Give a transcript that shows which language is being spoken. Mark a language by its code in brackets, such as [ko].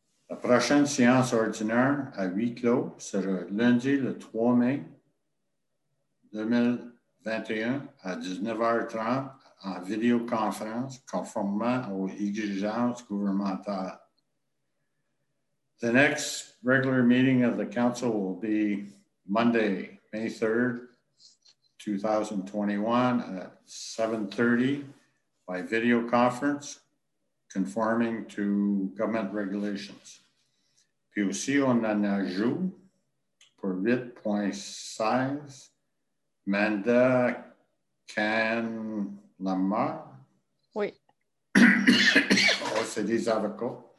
[fr] La prochaine séance ordinaire à huis clos sera lundi le 3 mai 2021 à 19h30 en vidéoconférence conformément aux exigences gouvernementales. [en] The next regular meeting of the council will be Monday, May 3rd, 2021 at 7:30 by video conference. Conforming to government regulations. [fr] Puis aussi, on en ajoute pour 8.16, mandat Can Lamar. Oui. Oh, c'est des avocats.